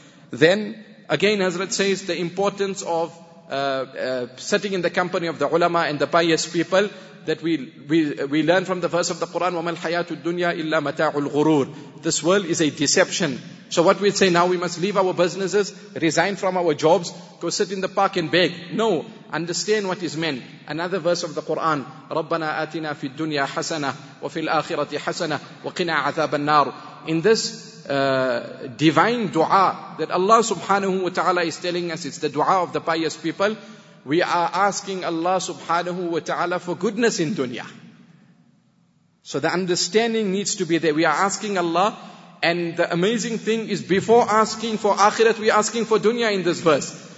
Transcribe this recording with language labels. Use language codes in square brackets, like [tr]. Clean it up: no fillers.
[en] Then, again, Hazrat says the importance of sitting in the company of the ulama and the pious people, that we learn from the verse of the Quran, [ar] وَمَا الْحَيَاةُ الدُّنْيَا إِلَّا مَتَاعُ الْغُرُورِ. [en] This world is a deception. So what we say now, we must leave our businesses, resign from our jobs, go sit in the park and beg. No, understand what is meant. Another verse of the Quran, [ar] رَبَّنَا آتِنَا فِي الدُّنْيَا حَسَنَةً وَفِي الْآخِرَةِ حَسَنَةً وَقِنَا عَذَابَ النَّارُ. [en] In this divine dua that Allah subhanahu wa ta'ala is telling us, it's the dua of the pious people, we are asking Allah subhanahu wa ta'ala for goodness in dunya. So the understanding needs to be there. We are asking Allah, and the amazing thing is before asking for akhirat, we are asking for dunya in this verse.